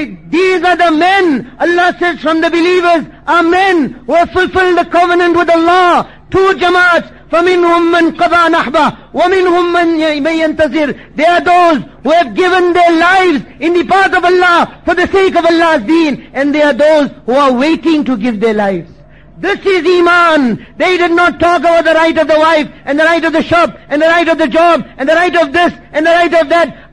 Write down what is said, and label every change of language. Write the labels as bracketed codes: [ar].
[en] These are the men, Allah says, from the believers, are men who have fulfilled the covenant with Allah. Two jamaats, [ar] فَمِنْهُمْ مَنْ قَضَى نَحْبَهُ وَمِنْهُمْ مَنْ يَنْتَزِرُ. [en] They are those who have given their lives in the path of Allah for the sake of Allah's deen, and they are those who are waiting to give their lives. This is iman. They did not talk about the right of the wife and the right of the shop and the right of the job and the right of this and the right of that.